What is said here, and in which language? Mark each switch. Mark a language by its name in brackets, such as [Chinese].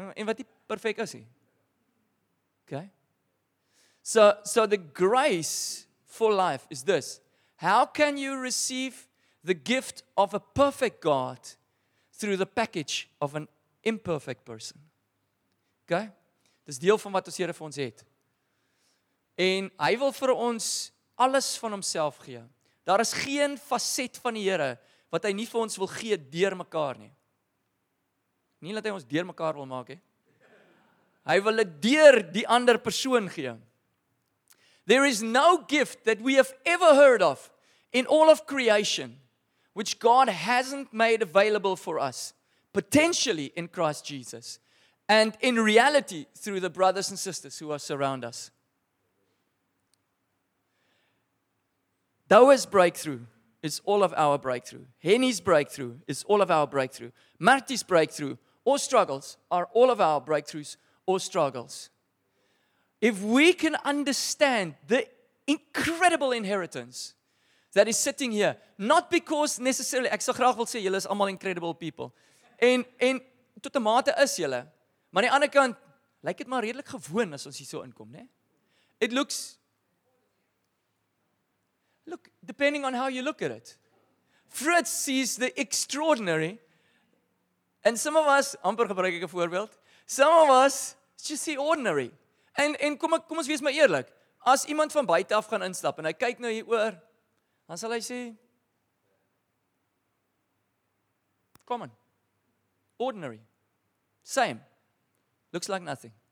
[Afrikaans] En wat die perfek is hy? [English] Okay? So the grace for life is this. How can you receive the gift of a perfect God through the package of an imperfect person? [Afrikaans] Okay? Dis deel van wat ons Here vir ons het. En hy wil vir ons alles van homself gee. Daar is geen facet van die Here wat hy nie vir ons wil gee deur mekaar nie. Nie dat hy ons deur mekaar wil maak nie. Hy wil dit deur die ander persoon gee. [English] There is no gift that we have ever heard of in all of creation which God hasn't made available for us, potentially in Christ Jesus, and in reality through the brothers and sisters who are around us. Douwe's breakthrough is all of our breakthrough. Henny's breakthrough is all of our breakthrough. Marty's breakthrough or struggles are all of our breakthroughs or struggles. If we can understand the incredible inheritance that is sitting here, not because necessarily, [Afrikaans] ek sal graag wil sê, julle is almal [English] incredible people. [Afrikaans] En tot 'n mate is julle. Maar aan die ander kant, lyk dit maar redelik gewoon as ons hier so inkom, né? [English] It looks... Look, depending on how you look at it. Fritz sees the extraordinary. And some of us, [Afrikaans] amper gebruik ek 'n voorbeeld, [English] some of us just see ordinary. [Afrikaans] En kom ons wees maar eerlik. As iemand van buite af gaan instap en hy kyk nou hier oor, dan sal hy sê, [English] common, ordinary, same, looks like nothing.